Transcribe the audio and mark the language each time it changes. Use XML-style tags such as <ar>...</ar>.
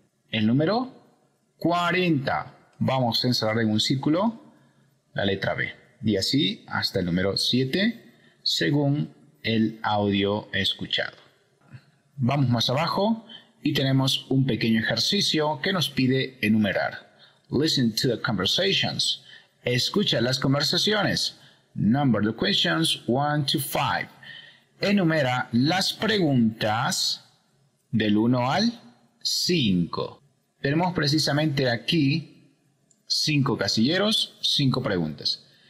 <es>El número 40. Vamos a encerrar en un círculo la letra B. Y así hasta el número 7, según el audio escuchado. Vamos más abajo y tenemos un pequeño ejercicio que nos pide enumerar.</es> <en>Listen to the conversations.</en> <es>Escucha las conversaciones.</es> <en>Number the questions 1 to 5.</en> <es>Enumera las preguntas del 1 al 5. Tenemos precisamente aquí 5 casilleros, 5 preguntas.</es>